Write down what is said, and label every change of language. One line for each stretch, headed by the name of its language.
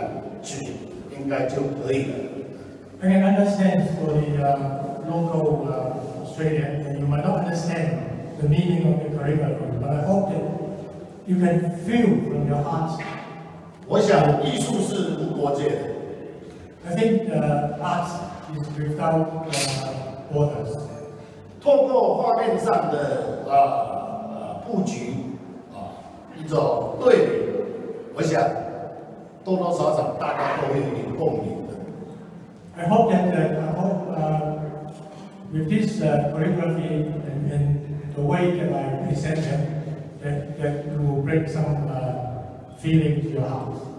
Chinese: 虽然书法有一些澳洲的友人，你可能看不懂它的内容，可是你透过画面上的呈现，我想你心里有一点感觉，应该就可以了。
English: I can understand for the local Australian, you might not understand. The meaning of the calligraphy, but I hope that you can feel from your heart.
Chinese: 我想艺术是无国界的。
English: I think art is without borders.
Chinese: 透过画面上的布局，一种对比，我想多多少少大家都会有点共鸣的。
English: I hope that with this calligraphy and the way that I present them, that will bring some feeling to your heart.